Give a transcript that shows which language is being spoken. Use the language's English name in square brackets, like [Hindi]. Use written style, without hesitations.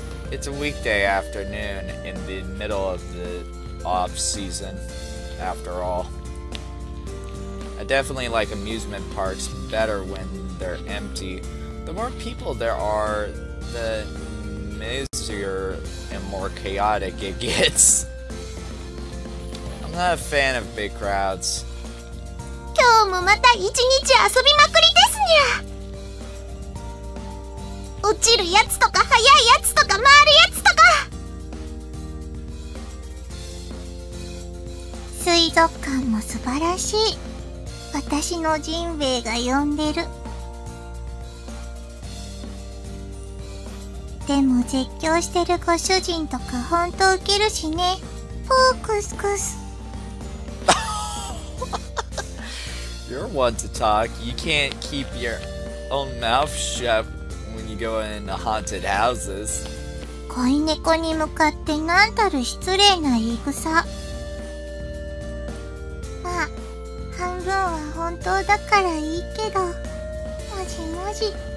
[English] It's a weekday afternoon in the middle of the off season, after all. I definitely like amusement parks better when they're empty. The more people there are, the messier and more chaotic it gets. I'm not a fan of big crowds. [Japanese] 今日もまた一日遊びまくりですにゃ。落ちるやつとか速いやつとか回るやつとか水族館も素晴らしい私のジンベエが呼んでるでも絶叫してるご主人とか本当ウケるしねフォークスクス [English] you're one to talk. You can't keep your own mouth shut when you go into haunted houses. [Japanese] 子猫に向かって何たる失礼な言い草。まあ、半分は本当だからいいけど、もじもじ。